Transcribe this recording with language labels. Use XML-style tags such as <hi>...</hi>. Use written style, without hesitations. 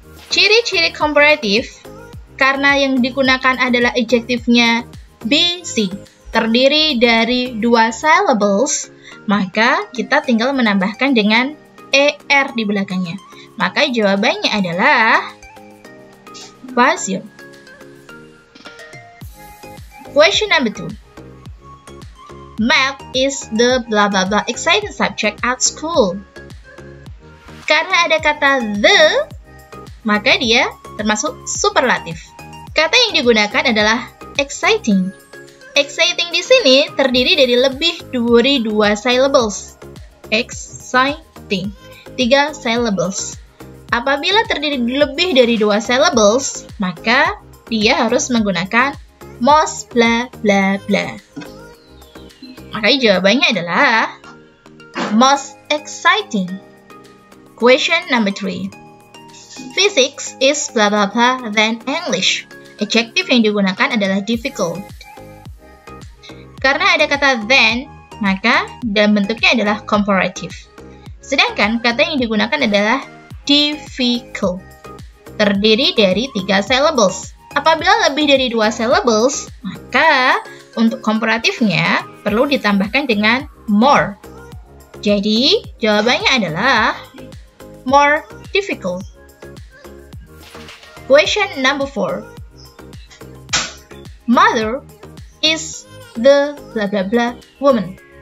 <id>Ciri-ciri comparative, karena yang digunakan adalah adjective-nya busy, terdiri dari dua syllables, maka kita tinggal menambahkan dengan er di belakangnya. Maka jawabannya adalah busy.</id> <en>Question number 2. Math is the blah blah blah exciting subject at school.</en> <id>Karena ada kata the, maka dia termasuk superlatif. Kata yang digunakan adalah exciting. Exciting di sini terdiri dari lebih dari dua syllables. Exciting. Tiga syllables. Apabila terdiri lebih dari dua syllables, maka dia harus menggunakan</id> <en>most blah blah blah.</en> <id>Makanya jawabannya adalah</id> <en>most exciting. Question number 3. Physics is blah blah blah than English.</en> <id>Adjective yang digunakan adalah difficult. Karena ada kata than, maka dalam bentuknya adalah comparative. Sedangkan kata yang digunakan adalah difficult. Terdiri dari 3 syllables. Apabila lebih dari 2 syllables, maka untuk komparatifnya perlu ditambahkan dengan more. Jadi, jawabannya adalah</id> <en>more difficult. Question number 4. Mother is the blah blah blah woman.</en>